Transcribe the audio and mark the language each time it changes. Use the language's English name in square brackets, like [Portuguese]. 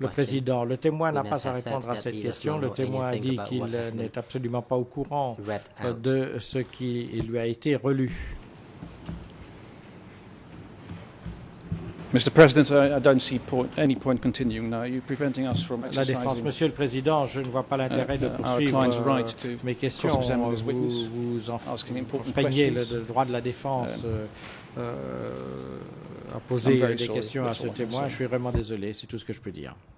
[French] Le président, le témoin n'a pas à répondre à cette question. Le témoin a dit qu'il n'est absolument pas au courant de ce qui lui a été relu. [English] Mr. President, I don't see any point continuing now. You're preventing us from exercising. [French] La défense, Monsieur le Président, je ne vois pas l'intérêt de poursuivre [English] right [French] mes questions. Vous enfreignez le droit de la défense. À poser des questions à ce témoin. Je suis vraiment désolé, c'est tout ce que je peux dire.